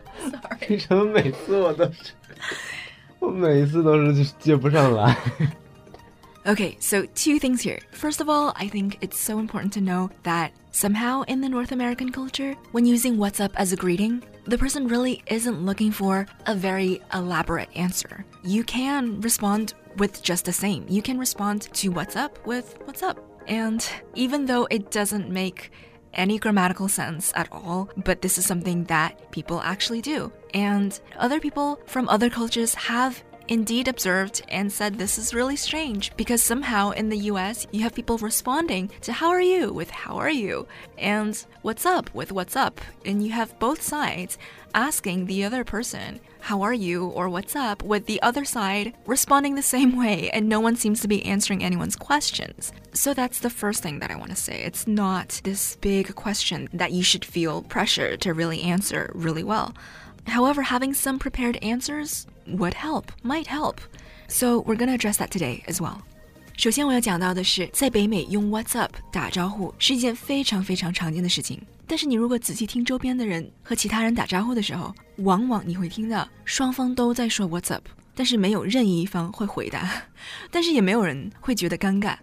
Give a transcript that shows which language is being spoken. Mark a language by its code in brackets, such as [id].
[zh] Sorry， 为什么每次我每次都是接不上来？ [en] Okay, so two things here. First of all, I think it's so important to know that somehow in the North American culture, when using what's up as a greeting, the person really isn't looking for a very elaborate answer. You can respond with just the same. You can respond to what's up with what's up. And even though it doesn't make any grammatical sense at all, but this is something that people actually do. And other people from other cultures haveindeed observed and said this is really strange because somehow in the US you have people responding to how are you with how are you and what's up with what's up and you have both sides asking the other person how are you or what's up with the other side responding the same way and no one seems to be answering anyone's questions. So that's the first thing that I want to say. It's not this big question that you should feel pressure to really answer really well. However, having some prepared answers... would help, might help. So we're gonna address that today as well. [zh] 首先我要讲到的是在北美用 What's up 打招呼是一件非常非常常见的事情。但是你如果仔细听周边的人和其他人打招呼的时候，往往你会听到双方都在说 What's up， 但是没有任意一方会回答，但是也没有人会觉得尴尬。